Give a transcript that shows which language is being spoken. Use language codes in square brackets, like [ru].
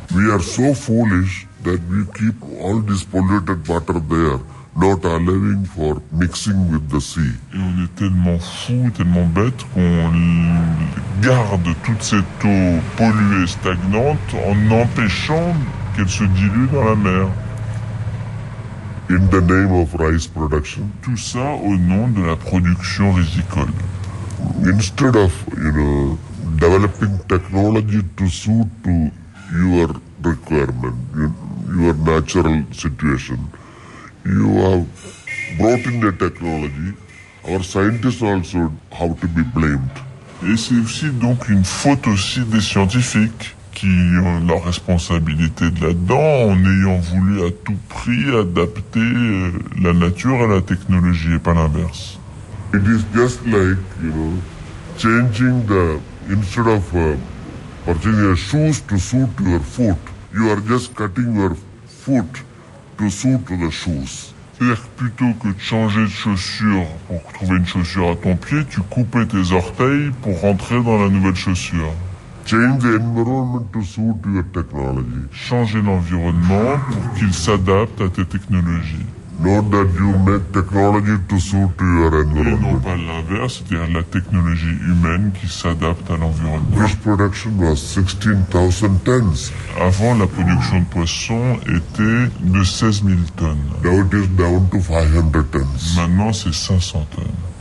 [en] We are so foolish that we keep all this polluted water there. Not allowing for mixing with the sea. [fr] Et on est tellement fou, tellement bête qu'on garde toute cette eau polluée, stagnante, en empêchant qu'elle se dilue dans la mer. [en] In the name of rice production. [fr] Tout ça au nom de la production rizicole. [en] Instead of, you know, developing technology to suit to your requirement, your natural situation. You have brought in the technology. Our scientists also have to be blamed. [fr] Et c'est aussi donc une faute aussi des scientifiques qui ont la responsabilité de là-dedans en ayant voulu à tout prix adapter la nature à la technologie et pas l'inverse. [en] It is just like, you know, changing the, instead of purchasing your shoes to suit your foot, you are just cutting your foot to suit the shoes. [fr] C'est-à-dire plutôt que de changer de chaussure pour trouver une chaussure à ton pied, tu coupais tes orteils pour rentrer dans la nouvelle chaussure. [en] Change the environment to suit your technology. [fr] Changer l'environnement pour qu'il s'adapte à tes technologies. [en] Not that you make technology to suit your environment. [fr] Et non pas l'inverse, c'est-à-dire la technologie humaine qui s'adapte à l'environnement. [en] This production was 16,000 tons. [fr] Avant, la production de poissons était de 16 000 tonnes. [en] Now it is down to 500 tons. [fr] Maintenant, c'est 500 tonnes.